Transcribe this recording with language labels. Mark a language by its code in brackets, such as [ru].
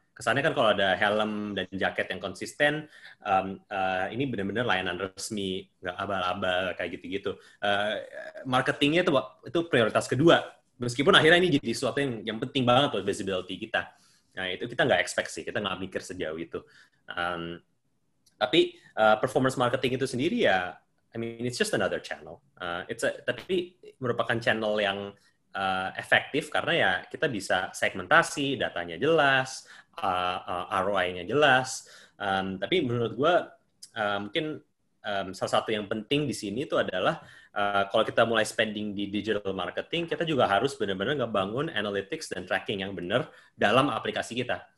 [id] Kesannya kan kalau ada helm dan jaket yang konsisten, ini benar-benar layanan resmi, nggak abal-abal kayak gitu-gitu. Marketingnya itu prioritas kedua. Meskipun akhirnya ini jadi sesuatu yang penting banget buat visibility kita. Nah itu kita nggak expect sih, kita nggak mikir sejauh itu. [en] Tapi performance marketing [id] itu sendiri ya, [en] I mean it's just another channel. [id] Tapi merupakan channel yang efektif karena ya kita bisa segmentasi, datanya jelas, ROI-nya jelas. Tapi menurut gue mungkin salah satu yang penting di sini itu adalah kalau kita mulai spending di digital marketing, kita juga harus benar-benar ngebangun analytics dan tracking yang benar dalam aplikasi kita.